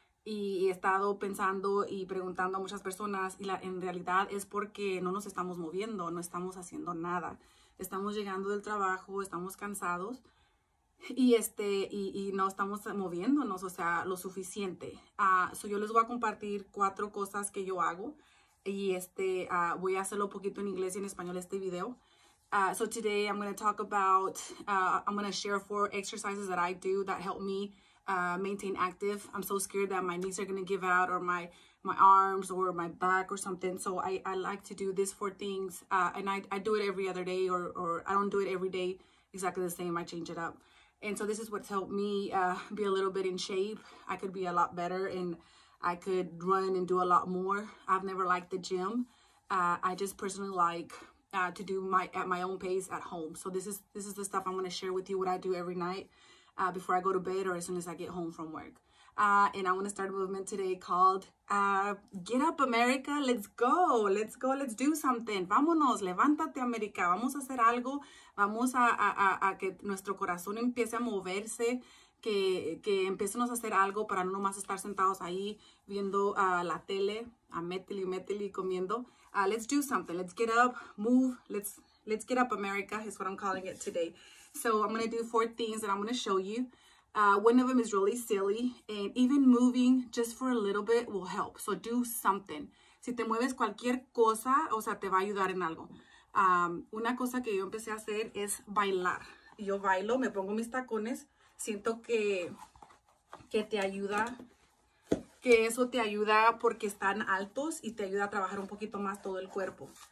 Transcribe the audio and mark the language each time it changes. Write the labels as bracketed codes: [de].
[es] Y he estado pensando y preguntando a muchas personas, y en realidad es porque no nos estamos moviendo, no estamos haciendo nada. Estamos llegando del trabajo, estamos cansados y no estamos moviéndonos, o sea, lo suficiente. Yo les voy a compartir cuatro cosas que yo hago y voy a hacerlo un poquito en inglés y en español este video. [en] Today I'm going to talk about, I'm going to share four exercises that I do that help me maintain active. I'm so scared that my knees are going to give out, or my arms or my back or something. So I like to do these four things, and I do it every other day, or I don't do it every day exactly the same. I change it up. And so this is what's helped me be a little bit in shape. I could be a lot better and I could run and do a lot more. I've never liked the gym. I just personally like to do at my own pace at home. So this is the stuff I'm going to share with you, what I do every night before I go to bed or as soon as I get home from work. And I want to start a movement today called Get Up America. Let's go. Let's go. Let's do something. [es] Vámonos. Levántate, América. Vamos a hacer algo. Vamos a que nuestro corazón empiece a moverse, que empecemos a hacer algo para no nomás estar sentados ahí viendo la tele, a métele y métele comiendo. [en] Let's do something. Let's get up, move. Let's get up, America, is what I'm calling it today. So I'm going to do four things that I'm going to show you. One of them is really silly, and even moving just for a little bit will help. So do something. [es] Si te mueves cualquier cosa, o sea, te va a ayudar en algo. Una cosa que yo empecé a hacer es bailar. Yo bailo, me pongo mis tacones, siento que te ayuda. Que eso te ayuda porque están altos y te ayuda a trabajar un poquito más todo el cuerpo.